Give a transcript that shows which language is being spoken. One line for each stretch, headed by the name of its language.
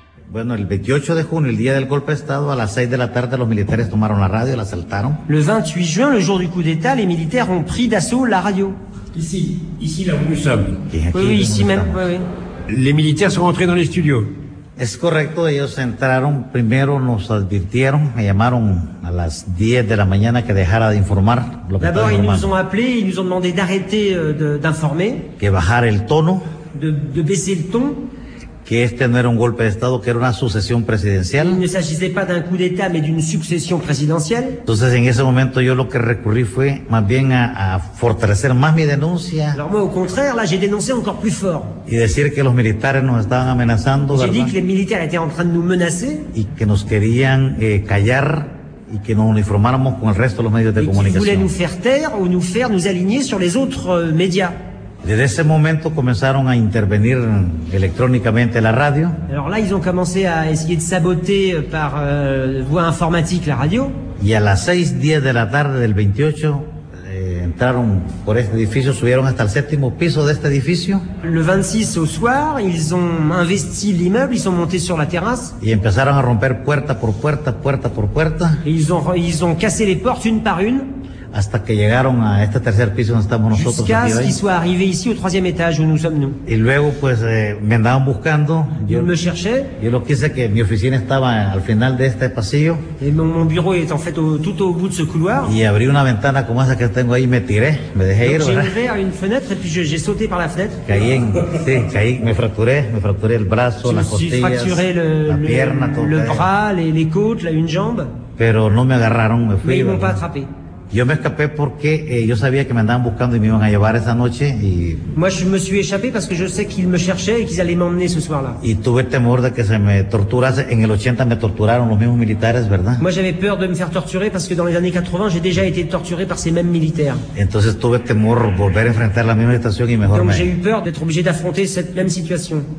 Spanish: Bueno, el 28 de junio, el día del golpe de Estado, a las 6 de la tarde los militares tomaron la radio y la asaltaron.
French: Le 28 juin, le jour du coup d'État, les militaires ont pris d'assaut la radio. Ici là où nous sommes. Oui, ici même, oui. Les militaires sont entrés dans les studios.
Spanish: Es correcto, ellos entraron, primero nos advirtieron, me llamaron a las 10 de la mañana que dejara de informar.
French: D'abord, ils nous ont appelé, ils nous ont demandé d'arrêter d'informer.
Spanish: Que bajar el tono.
French: De baisser le ton.
Spanish: Que este no era un golpe de Estado, que era una sucesión presidencial.
French: Il ne s'agissait pas d'un coup d'État, mais d'une succession présidentielle.
Spanish: Entonces, en ese momento, yo lo que recurrí fue más bien a fortalecer más mi denuncia.
French: Alors moi, au contraire, là, j'ai dénoncé encore plus fort.
Spanish: Y decir que los militares nos estaban amenazando,
French: j'ai
Spanish: ¿verdad?
French: Dit que les militaires étaient en train de nous menacer.
Spanish: Y que nos querían callar y que nos uniformáramos con el resto de los medios de comunicación.
French: Et qu'ils voulaient nous faire taire ou nous faire nous aligner sur les autres médias.
Spanish: Desde ese momento comenzaron a intervenir electrónicamente la radio.
French: Alors là, ils ont commencé à essayer de saboter par voie informatique la radio.
Spanish: Y a las 6:10 de la tarde del 28 entraron por este edificio, subieron hasta el séptimo piso de este edificio.
French: Le 26 au soir, ils ont investi l'immeuble, ils sont montés sur la terrasse.
Spanish: Y empezaron a romper puerta por puerta, puerta por puerta.
French: Et ils ont cassé les portes une par une.
Spanish: Hasta que llegaron a este tercer piso donde estamos nosotros.
French: Jusqu'à ce qu'ils soient arrivés ici au troisième étage où nous sommes nous.
Spanish: Y luego pues me andaban buscando. Yo me cherchais. Yo lo quise que mi oficina estaba al final de este pasillo.
French: Et mon bureau est en fait tout au bout de ce couloir.
Spanish: Y abrí una ventana como esa que tengo ahí, me tiré, me dejé
French: donc
Spanish: ir.
French: J'ai ouvert une fenêtre et puis j'ai sauté par la fenêtre.
Spanish: Caí, sí, caí, me fracturé el brazo, las costillas,
French: la pierna, le bras, les côtes, la une jambe.
Spanish: Pero no me agarraron, me fui.
French: Mais ils m'ont pas attrapé.
Spanish: Yo me escapé porque yo sabía que me andaban buscando y me iban a llevar esa noche y.
French: Moi je me suis échappé parce que je sais qu'ils me cherchaient et qu'ils allaient m'emmener ce soir-là.
Spanish: Y tuve temor de que se me torturase. En el 80 me torturaron los mismos militares, ¿verdad?
French: Moi j'avais peur de me faire torturer parce que dans les années 80 j'ai déjà été torturé par ces mêmes militaires.
Spanish: Entonces tuve temor de volver a enfrentar la misma situación y mejor.
French: Donc j'ai eu peur d'être obligé d'affronter cette même situation.